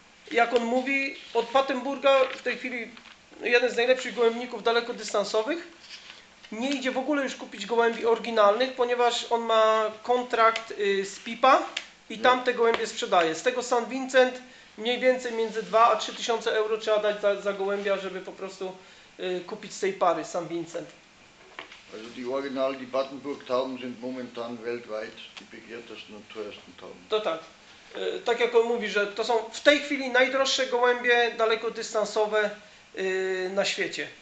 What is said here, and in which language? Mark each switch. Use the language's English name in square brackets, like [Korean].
[Polish] Jak on mówi, od Battenburga, w tej chwili jeden z najlepszych gołębników dalekodystansowych, nie idzie w ogóle już kupić gołębi oryginalnych, ponieważ on ma kontrakt z Pipa i tam te gołębie sprzedaje. Z tego St. Vincent mniej więcej między 2 a 3 tysiące euro trzeba dać za gołębia, żeby po prostu kupić z tej pary St. Vincent. [German] Also die Original, die Battenburg Tauben sind momentan weltweit die begehrtesten und teuersten Tauben. [Polish] To tak. Tak jak on mówi, że to są w tej chwili najdroższe gołębie dalekodystansowe na świecie.